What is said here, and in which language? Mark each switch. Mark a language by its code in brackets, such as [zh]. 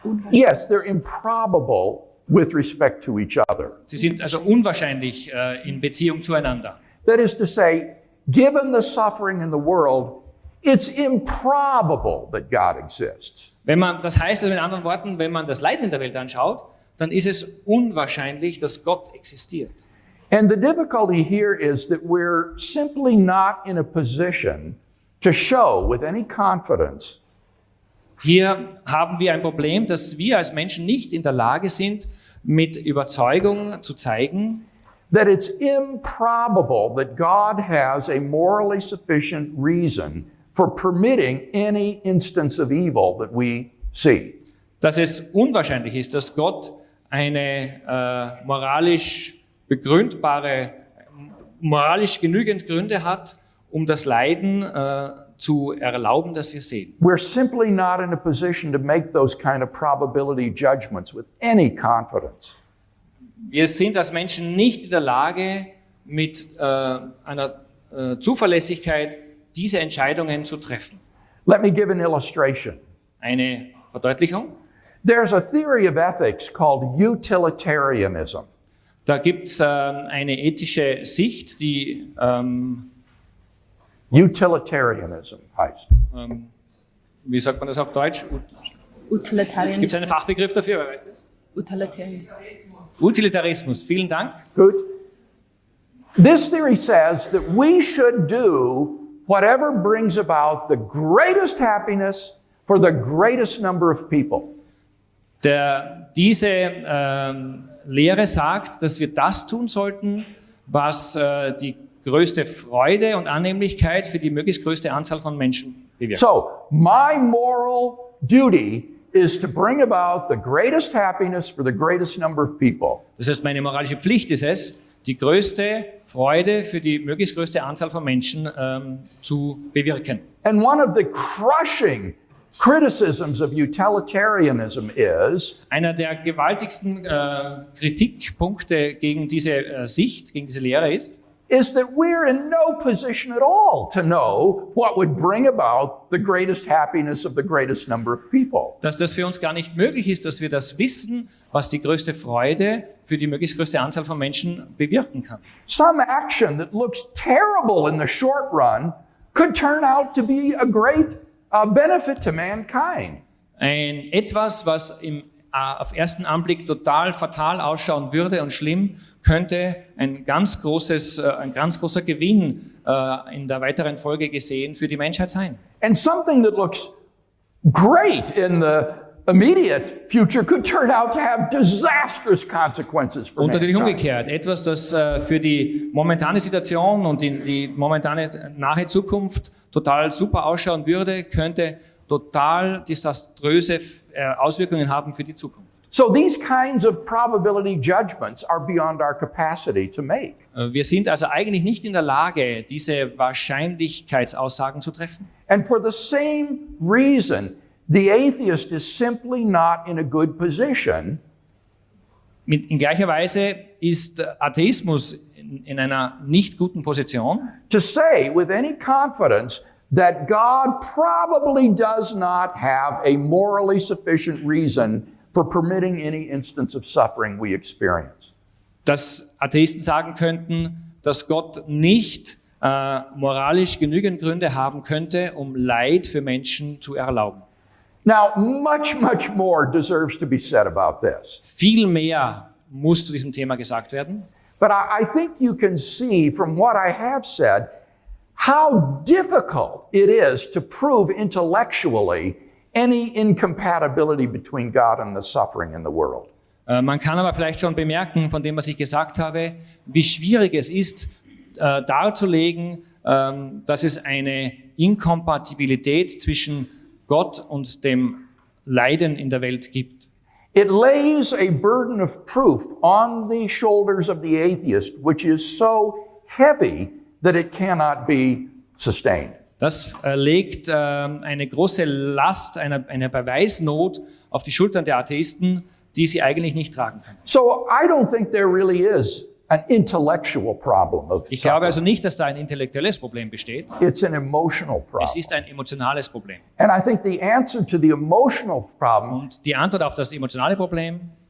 [en] yes, they're improbable with respect to each other. [de] Sie sind also unwahrscheinlich in Beziehung zueinander. [en] That is to say, given the suffering in the world, it's improbable that God exists. [de] Wenn man, das heißt also in anderen Worten, wenn man das Leiden in der Welt anschaut, dann ist es unwahrscheinlich, dass Gott existiert. [en] And the difficulty here is that we're simply not in a position to show with any confidence. [de] Hier haben wir ein Problem, dass wir als Menschen nicht in der Lage sind, mit Überzeugung zu zeigen, [en] that it's improbable that God has a morally sufficient reason for permitting any instance of evil that we see. [de] Dass es unwahrscheinlich ist, dass Gott eine moralisch begründbare, moralisch genügend Gründe hat, um das Leiden zu erlauben, das wir sehen. [en] We're simply not in a position to make those kind of probability judgments with any confidence. [de] Wir sind als Menschen nicht in der Lage, mit einer Zuverlässigkeit diese Entscheidungen zu treffen. [en] Let me give an illustration. [de] Eine Verdeutlichung. [en] There's a theory of ethics called utilitarianism. [de] Da gibt's eine ethische Sicht, die Utilitarianism heißt. Wie sagt man das auf Deutsch? [en] Utilitarianism. [de] Gibt's einen Fachbegriff dafür? Wer weiß das? Utilitarismus. Utilitarismus. Vielen Dank. Gut. [en] This theory says that we should do whatever brings about the greatest happiness for the greatest number of people. [de] Diese Lehre sagt, dass wir das tun sollten, was die größte Freude und Annehmlichkeit für die möglichst größte Anzahl von Menschen bewirkt. [en] So, my moral duty is to bring about the greatest happiness for the greatest number of people. [de] Das heißt, meine moralische Pflicht ist es, die größte Freude für die möglichst größte Anzahl von Menschen zu bewirken. [en] And one of the crushing criticisms of utilitarianism is [de] einer der gewaltigsten Kritikpunkte gegen diese Sicht, gegen diese Lehre ist, [en] is that we're in no position at all to know what would bring about the greatest happiness of the greatest number of people. [de] Dass das für uns gar nicht möglich ist, dass wir das wissen, was die größte Freude für die möglichst größte Anzahl von Menschen bewirken kann. [en] Some action that looks terrible in the short run could turn out to be a great benefit to mankind. [de] Ein etwas, was im auf ersten Anblick total fatal ausschauen würde und schlimm, könnte ein ganz großer Gewinn in der weiteren Folge gesehen für die Menschheit sein. [en] And something that looks great in the immediate future could turn out to have disastrous consequences for mankind. [de] Und natürlich umgekehrt, etwas, das für die momentane Situation und in die momentane nahe Zukunft total super ausschauen würde, könnte total desaströse Auswirkungen haben für die Zukunft. [en] So these kinds of probability judgments are beyond our capacity to make. [de] Wir sind also eigentlich nicht in der Lage, diese Wahrscheinlichkeitsaussagen zu treffen. [en] And for the same reason, the atheist is simply not in a good position. [de] In gleicher Weise ist Atheismus in einer nicht guten Position. [en] To say with any confidence that God probably does not have a morally sufficient reason for permitting any instance of suffering we experience. [de] Dass Atheisten sagen könnten, dass Gott nicht moralisch genügend Gründe haben könnte, um Leid für Menschen zu erlauben. [en] Now, much, much more deserves to be said about this. [de] Viel mehr muss zu diesem Thema gesagt werden. [en] But I think you can see from what I have said how difficult it is to prove intellectually any incompatibility between God and the suffering in the world. [de] Man kann aber vielleicht schon bemerken von dem, was ich gesagt habe, wie schwierig es ist, darzulegen, dass es eine Inkompatibilität zwischen Gott und dem Leiden in der Welt gibt. [en] It lays a burden of proof on the shoulders of the atheist, which is so heavy that it cannot be sustained. [de] Das legt eine große Last, eine Beweisnot auf die Schultern der Atheisten, die sie eigentlich nicht tragen können. [en] So I don't think there really is an intellectual problem of [de] suffering. Ich glaube also nicht, dass da ein intellektuelles Problem besteht. [en] It's an emotional problem. [de] Es ist ein emotionales Problem. [en] And I think the answer to the emotional problem [de] und die Antwort auf das emotionale Problem